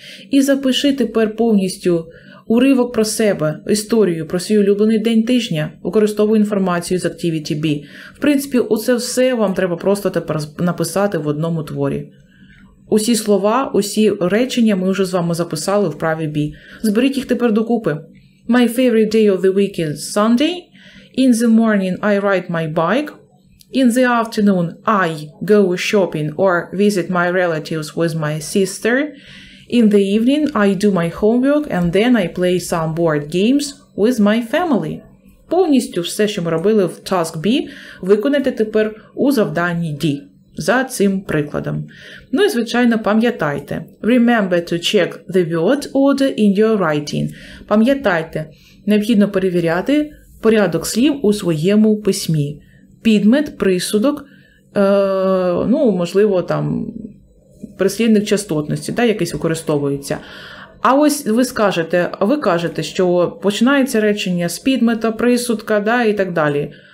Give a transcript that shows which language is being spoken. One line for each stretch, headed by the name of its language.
Ukrainian: І запиши тепер повністю уривок про себе, історію, про свій улюблений день тижня. Використовуй інформацію з Activity B. В принципі, оце все вам треба просто тепер написати в одному творі. Усі слова, усі речення ми вже з вами записали в праві B. Зберіть їх тепер докупи.
English: My favorite day of the week is Sunday. In the morning I ride my bike. In the afternoon I go shopping or visit my relatives with my sister. In the evening I do my homework and then I play some board games with my family.
Ukrainian: Повністю все, що ми робили в task B, виконайте тепер у завданні D. За цим прикладом. Ну і, звичайно, пам'ятайте.
English: Remember to check the word order in your writing.
Ukrainian: Пам'ятайте, необхідно перевіряти порядок слів у своєму письмі. Підмет, присудок, ну, можливо, там, прислідник частотності, да, якийсь використовується. А ось ви кажете, що починається речення з підмета, присудка, да, і так далі.